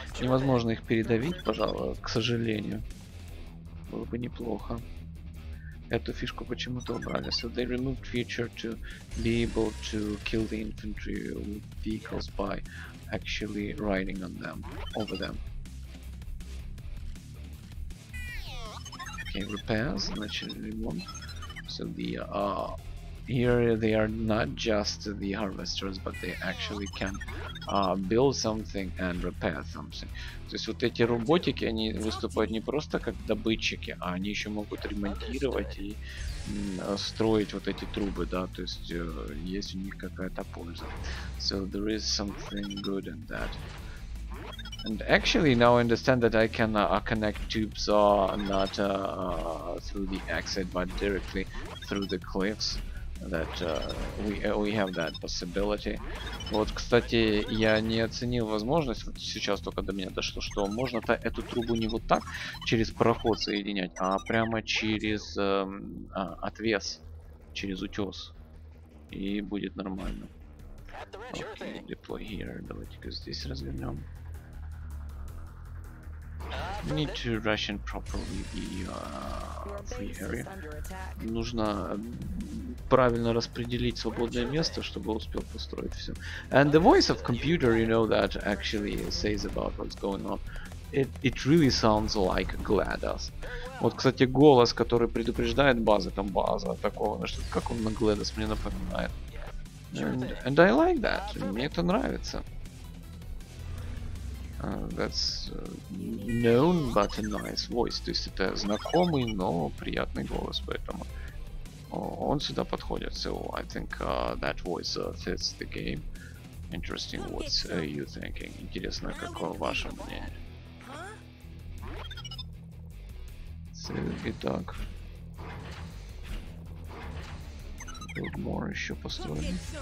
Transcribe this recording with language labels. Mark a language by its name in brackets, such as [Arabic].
[Russian] Невозможно их передавить, пожалуй, к сожалению. Было бы неплохо. Эту фишку почему-то убрали. [English] So they removed feature to be able to kill the infantry vehicles by actually riding on them, over them. Okay, repairs, [Russian] значит, ремонт. [English] So the, here they are not just the harvesters, but they actually can build something and repair something. [Russian] То есть вот эти роботики, они выступают не просто как добытчики, а они еще могут ремонтировать и строить вот эти трубы, да, то есть есть у них какая-то польза. [English] So there is something good in that. And actually, now I understand that I can connect tubes not through the exit, but directly through the cliffs. That we have that possibility. [Russian] Вот, кстати, я не оценил возможность, вот сейчас только до меня дошло, что можно-то эту трубу не вот так через проход соединять, а прямо через отвес, через утес. И будет нормально. [English] Okay, deploy here. [Russian] Давайте-ка здесь развернем. [English] Need to ration properly the free area. [Russian] Нужно правильно распределить свободное место, чтобы успел построить все. [English] And the voice of computer, you know, that actually says about what's going on. It really sounds like GLaDOS. [Russian] Вот, кстати, голос, который предупреждает базы, там база такого, что как он на GLaDOS мне напоминает. [English] And I like that. [Russian] Мне это нравится. [English] That's known, but a nice voice. [Russian] То есть это знакомый, но приятный голос, поэтому он сюда подходит. [English] So I think that voice fits the game. Interesting, what are you thinking? [Russian] Интересно, какое ваше мнение? Итак, тут more еще построили.